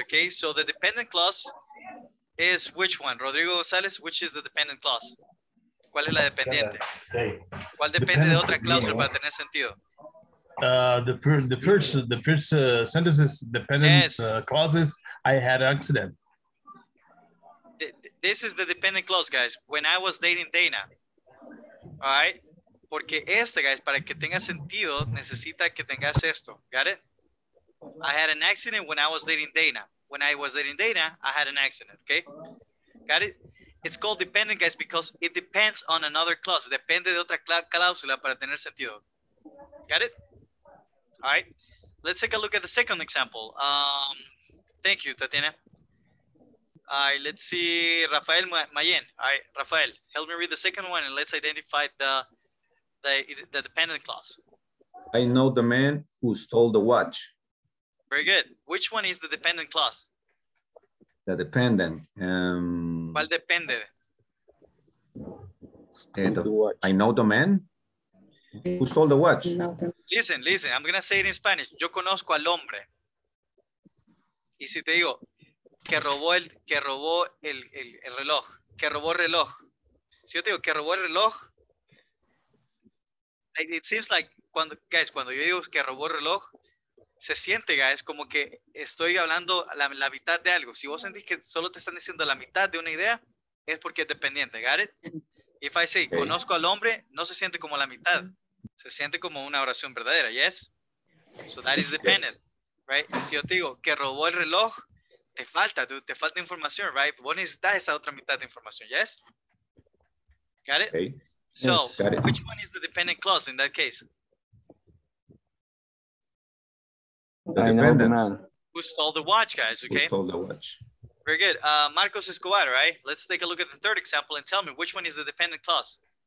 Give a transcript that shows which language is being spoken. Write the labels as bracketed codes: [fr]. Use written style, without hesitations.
[en] Okay, so the dependent clause is which one, Rodrigo Gonzalez? Which is the dependent clause? [es] ¿Cuál es la dependiente? [en] Okay. [es] ¿Cuál depende de otra cláusula para tener sentido? [en] The first sentences, dependent yes. Clauses, I had an accident. This is the dependent clause, guys. When I was dating Dana. All right? [es] Porque este, guys, para que tenga sentido, necesita que tengas esto. [en] Got it? I had an accident when I was dating Dana. When I was dating Dana, I had an accident. Okay? Got it? It's called dependent, guys, because it depends on another clause. [es] Depende de otra cláusula para tener sentido. [en] Got it? All right. Let's take a look at the second example. Thank you, Tatiana. All right. Let's see. Rafael Mayen. All right. Rafael, help me read the second one and let's identify the dependent clause. I know the man who stole the watch. Very good. Which one is the dependent clause? The dependent. [es] ¿Cuál depende? [en] I know the man who stole the watch. Listen, I'm gonna say it in Spanish. [es] Yo conozco al hombre. Y si te digo que robó el reloj. Si yo te digo que robó el reloj, [en] it seems like [es] cuando yo digo que robó el reloj. Se siente, guys, como que estoy hablando la mitad de algo. Si vos sentís que solo te están diciendo la mitad de una idea, es porque es dependiente, [en] got it? If I say, [es] conozco al hombre, no se siente como la mitad. Se siente como una oración verdadera, yes? [en] So that is dependent, yes. Right? [es] Si yo te digo, que robó el reloj, te falta, dude, te falta información, right? Vos necesitas esa otra mitad de información, yes? [en] Got it? Okay. So, got it. Which one is the dependent clause in that case? The dependent. Who stole the watch, guys? Okay. Who stole the watch? Very good. Marcos Escobar, right? Let's take a look at the third example and tell me which one is the dependent clause.